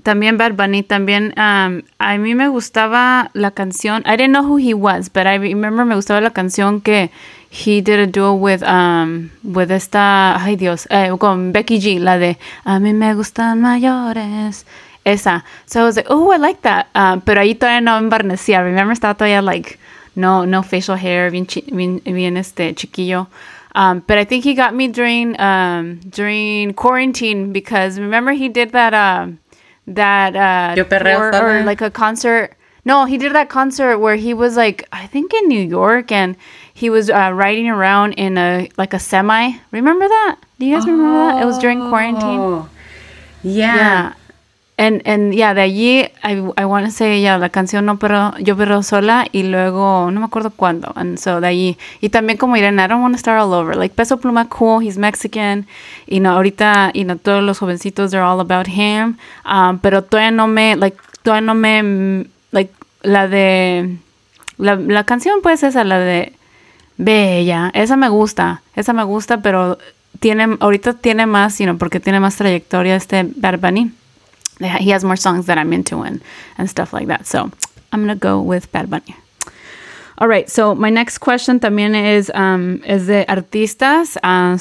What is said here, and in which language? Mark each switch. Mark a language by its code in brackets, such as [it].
[es] También Bad Bunny. También a mí me gustaba la canción. [en] I didn't know who he was, but I remember [es] me gustaba la canción que [en] he did a duo with [es] esta, ay Dios, con Becky G, la de A mí me gustan mayores. Esa. [en] So I was like, oh, I like that. [es] Pero ahí todavía no embarnecía. [en] I remember [es] estaba todavía [en] like, No facial hair, [es] bien chiquillo. [en] But I think he got me during quarantine because remember he did that a concert. No, he did that concert where he was like, I think in New York, and he was riding around in a semi. Remember that? Do you guys remember that? It was during quarantine. Yeah. And yeah, [es] de allí, [en] I want to say, yeah, [es] la canción No Pero, Yo Pero Sola, y luego, no me acuerdo cuándo, [en] and so [es] de allí, y también como Irene, [en] I don't want to start all over, like, [es] Peso Pluma, [en] cool, he's Mexican, [es] y no, ahorita, y no, todos los jovencitos, [en] they're all about him, [es] pero la canción, pues, esa, la de Bella, esa me gusta, pero ahorita tiene más, [en] you know, [es] porque tiene más trayectoria este Bad Bunny. [en] He has more songs that I'm into and stuff like that. So I'm going to go with Bad Bunny. All right. So my next question también is [es] de artistas.